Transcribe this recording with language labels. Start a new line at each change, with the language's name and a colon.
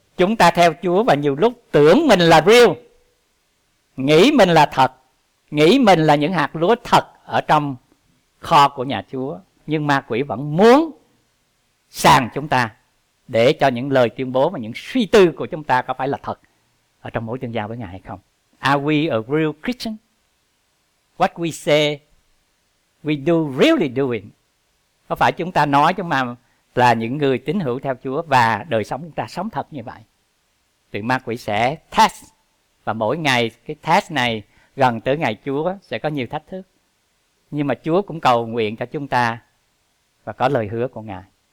Vietnamese: Chúng ta theo Chúa và nhiều lúc tưởng mình là real, nghĩ mình là thật, nghĩ mình là những hạt lúa thật ở trong kho của nhà Chúa. Nhưng ma quỷ vẫn muốn sàng chúng ta để cho những lời tuyên bố và những suy tư của chúng ta có phải là thật ở trong mối tương giao với Ngài hay không.
English: Are we a real Christian? What we say, we do really doing.
Vietnamese: Có phải chúng ta nói chúng ta là những người tín hữu theo Chúa và đời sống chúng ta sống thật như vậy? Thì ma quỷ sẽ test, và mỗi ngày cái test này gần tới ngày Chúa sẽ có nhiều thách thức. Nhưng mà Chúa cũng cầu nguyện cho chúng ta và có lời hứa của Ngài.